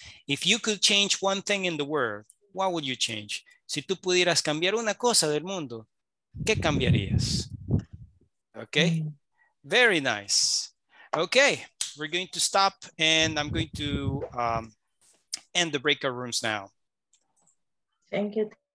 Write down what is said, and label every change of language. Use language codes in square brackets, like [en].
[en] If you could change one thing in the world, what would you change? [es] Si tú pudieras cambiar una cosa del mundo, ¿qué cambiarías? [en] Okay. Very nice. Okay. We're going to stop and I'm going to end the breakout rooms now. Thank you.